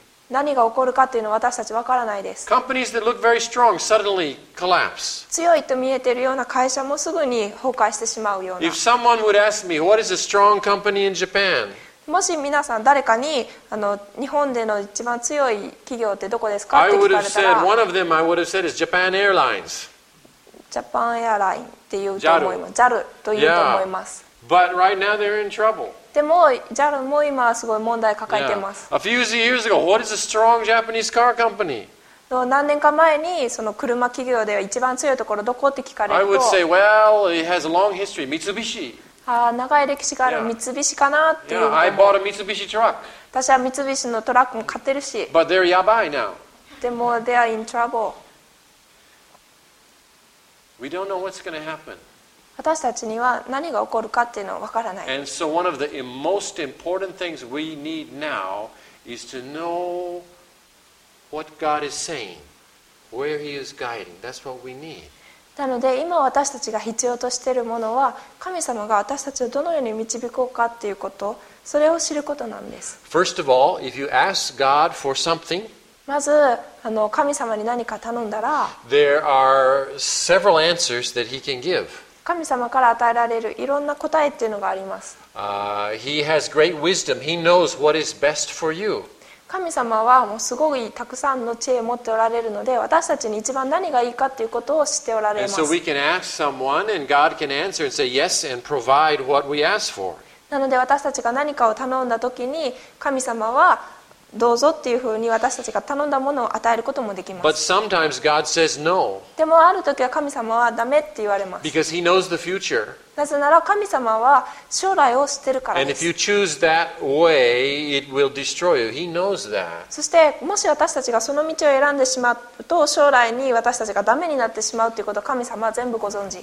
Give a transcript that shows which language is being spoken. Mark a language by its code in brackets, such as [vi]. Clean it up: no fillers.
[ja] 何が起こるかっていうのは私たちわからないです。 [en] Companies that look very strong suddenly collapse. [ja] 強いと見えているような会社もすぐに崩壊してしまうような。 [en] If someone would ask me, what is a strong company in Japan? [ja] もし皆さん誰かに日本での一番強い企業ってどこですかって聞かれたら、 [en] I would have said one of them. I would have said is Japan Airlines. [ja] Japan Airlines って言うと思います。JAL と言うと思います。 [en] Yeah. But right now they're in trouble. [ja] でも JAL も今はすごい問題抱えてます。 [en] Yeah. A few years ago, what is a strong Japanese car company? [ja] 何年か前にその車企業では一番強いところどこって聞かれると、 [en] I would say, well, it has a long history. Mitsubishi. [ja] ああ、長い歴史がある三菱かなっていう。 [en] Yeah, I bought a Mitsubishi truck. [ja] 私は三菱のトラックも買ってるし。 [en] But they're yabai now. でも they are in trouble. We don't know what's going to happen. [ja] 私たちには何が起こるかっていうのはわからない。 [en] And so one of the most important things we need now is to know what God is saying, where He is guiding. That's what we need. [ja] なので今私たちが必要としているものは神様が私たちをどのように導こうかっていうこと、それを知ることなんです。 [en] First of all, if you ask God for something, [ja] まず神様に何か頼んだら、 [en] there are several answers that He can give. [ja] 神様から与えられるいろんな答えっていうのがあります。 [en] He has great wisdom. He knows what is best for you. [ja] 神様はもうすごいたくさんの知恵を持っておられるので、私たちに一番何がいいかっていうことを知っておられます。 [en] And so we can ask someone, and God can answer and say yes and provide what we ask for. [ja] なので私たちが何かを頼んだときに、神様はどうぞっていうふうに私たちが頼んだものを与えることもできます。 [en] But sometimes God says no. [ja] でもある時は神様はダメって言われます。 [en] Because He knows the future. [ja] なぜなら神様は将来を知ってるからです。 [en] And if you choose that way, it will destroy you. He knows that. [ja] そしてもし私たちがその道を選んでしまうと将来に私たちがダメになってしまうということを神様は全部ご存知。